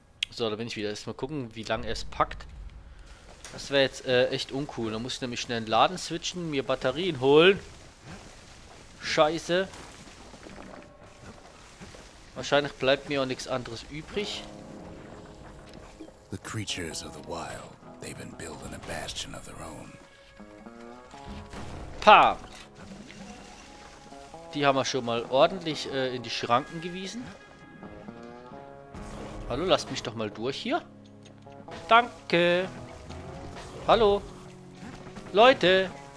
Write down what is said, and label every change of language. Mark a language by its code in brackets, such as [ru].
[de] So, da bin ich wieder. Erstmal gucken, wie lange er es packt. Das wäre jetzt echt uncool. Da muss ich nämlich schnell einen Laden switchen, mir Batterien holen. Scheiße. Wahrscheinlich bleibt mir auch nichts anderes übrig. [en] The creatures of the wild. They've been building a bastion of their own. Pam. [de] Die haben wir schon mal ordentlich in die Schranken gewiesen. Hallo, lasst mich doch mal durch hier. Danke. Hallo? Leute?